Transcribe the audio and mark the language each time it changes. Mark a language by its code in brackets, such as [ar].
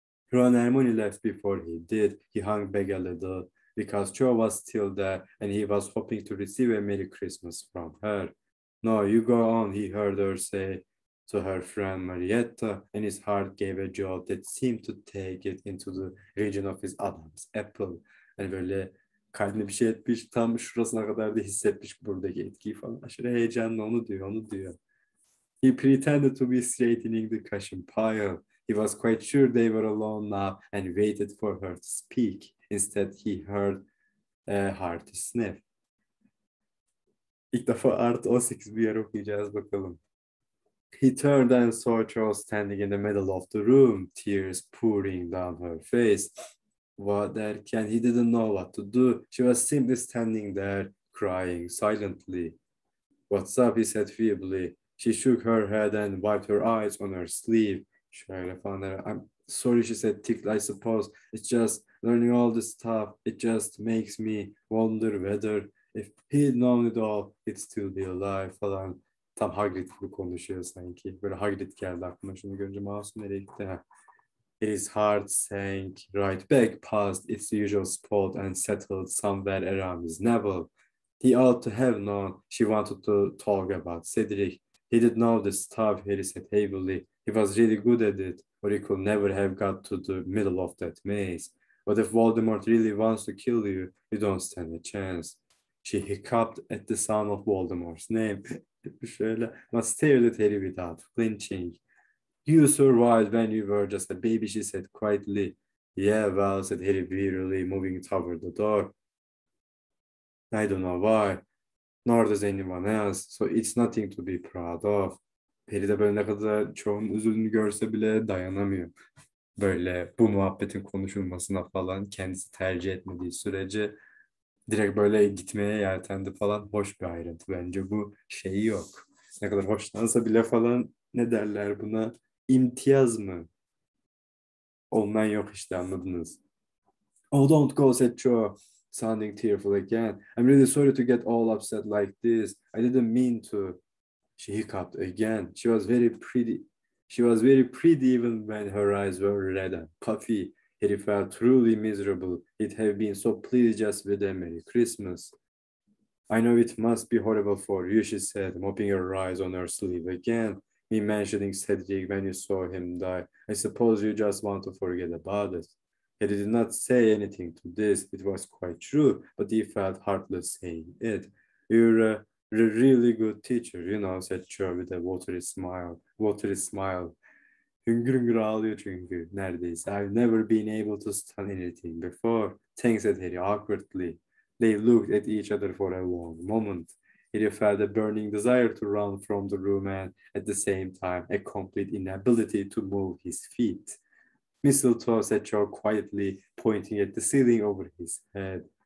[en] Ron and Hermione left before he did. He hung back a little because Cho was still there and he was hoping to receive a Merry Christmas from her. "No, you go on," he heard her say to her friend Marietta, and his heart gave a jolt that seemed to take it into the region of his Adam's apple. [tr] And böyle kalbine bir şey etmiş, tam şurasına kadar da hissetmiş buradaki etkiyi falan. Aşırı heyecanlı, onu diyor, onu diyor. [en] "He pretended to be straightening the cushion pile. He was quite sure they were alone now and waited for her to speak. Instead, he heard a hearty sniff." [tr] İlk defa artı 18 bir yer okuyacağız bakalım. [en] "He turned and saw Cho standing in the middle of the room, tears pouring down her face. What [tr] derken, [en] he didn't know what to do. She was simply standing there, crying silently. "What's up?" he said feebly. She shook her head and wiped her eyes on her sleeve. [tr] Şöyle falan der. [en] "I'm sorry," she said, "tickled, I suppose. It's just learning all this stuff. It just makes me wonder whether if he'd known it all, he'd still be alive," [tr] falan. Tam Hagrid gibi konuşuyor sanki. Böyle Hagrid geldi aklıma şunu görünce. Masum nereye gitti? [en] "His heart sank right back past its usual spot and settled somewhere around his navel. He ought to have known she wanted to talk about Cedric. He did know the stuff," Harry said heavily. "He was really good at it, or he could never have got to the middle of that maze. But if Voldemort really wants to kill you, you don't stand a chance." She hiccuped at the sound of Voldemort's name. [tr] Şöyle, [en] but stared at Harry without flinching. "You survived when you were just a baby," she said quietly. "Yeah, well," said Harry wearily, moving toward the door. "I don't know why, nor does anyone else, so it's nothing to be proud of." [tr] Harry de böyle ne kadar çoğun üzüldüğünü görse bile dayanamıyor. Böyle bu muhabbetin konuşulmasına falan, kendisi tercih etmediği sürece direkt böyle gitmeye yeltendi falan. Hoş bir ayrıntı bence bu, şeyi yok. Ne kadar hoşlansa bile falan, ne derler buna? İmtiyaz mı? Ondan yok işte, anladınız. [en] "Oh, don't go," said Cho, sounding tearful again. "I'm really sorry to get all upset like this. I didn't mean to." She hiccuped again. She was very pretty. She was very pretty even when her eyes were red and puffy. Harry felt truly miserable. It had been so pleased just with a Merry Christmas. "I know it must be horrible for you," she said, mopping her eyes on her sleeve again. "Me mentioning Cedric when you saw him die. I suppose you just want to forget about it." Harry did not say anything to this. It was quite true, but he felt heartless saying it. "You're a really good teacher, you know," said Cho with a watery smile. Watery smile. [tr] Hüngür hüngür ağlıyor çünkü neredeyse. [en] "I've never been able to stun anything before," thanks at Harry awkwardly. They looked at each other for a long moment. He felt a burning desire to run from the room and at the same time a complete inability to move his feet. Mistletoe said Joe quietly, pointing at the ceiling over his head.